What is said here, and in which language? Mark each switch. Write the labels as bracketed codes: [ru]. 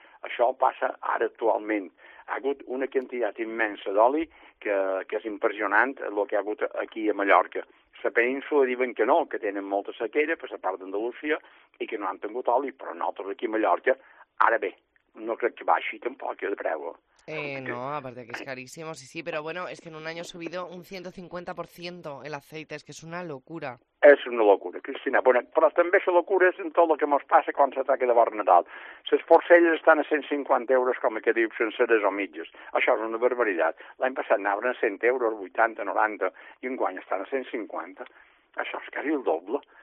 [ca] Això passa ara actualment. Ha hagut una quantitat immensa d'oli que és impressionant el que ha hagut aquí a Mallorca. La península diuen que no, que tenen molta sequera per la part d'Andalusia i que no han tingut oli, però nosaltres aquí a Mallorca, ara bé, no crec que baixi tampoc el preu. [es] No, aparte que es carísimo, sí, pero bueno, es que en un año ha subido un 150% el aceite, es que es una locura. [ca] És una locura, Cristina. Bueno, però també la locura és en tot el que ens passa quan se tracta de bon Nadal. Les porcelles estan a 150 euros, com que dius, senceres o mitges. Això és una barbaritat. L'any passat anaven a 100 euros, 80, 90, i un guany estan a 150. Això és quasi el doble.